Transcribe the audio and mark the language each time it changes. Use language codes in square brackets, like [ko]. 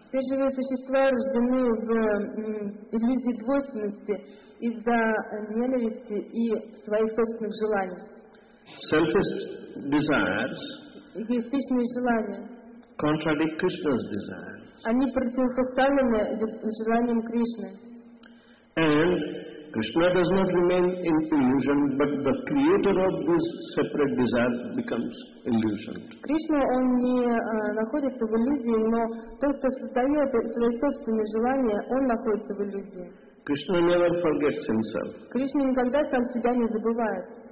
[ru] Все живые существа рождены в иллюзии двойственности из-за ненависти и своих собственных желаний. [en] Selfish desires, [ru] эгоистичные желания, [en] contradict Krishna's desires. [ru] Они противопоставлены желаниям Кришны. [en] And Krishna does not remain in illusion, but the creator of this separate desire becomes illusion. [ru] Кришна, он не находится в иллюзии, но тот, кто создает свои собственные желания, он находится в иллюзии. [en] Krishna never forgets himself. [ru] Кришна никогда сам себя не забывает.